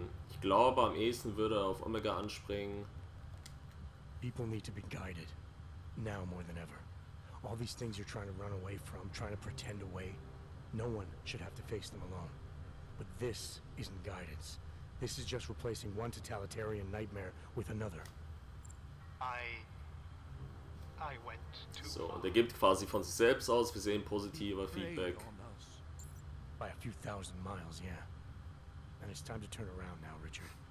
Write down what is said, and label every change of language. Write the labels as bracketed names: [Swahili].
[German] Ich glaube, am ehesten würde er auf Omega anspringen. [English] People need to be guided. Now more than ever. All these things you're trying to run away from, trying to pretend away, no one should have to face them alone. But this isn't guidance. This is just replacing one totalitarian nightmare with another. I went too far. [German] So, und er gibt quasi von sich selbst aus, wir sehen positiver Feedback. [English] By a few thousand miles, yeah. And it's time to turn around now, Richard.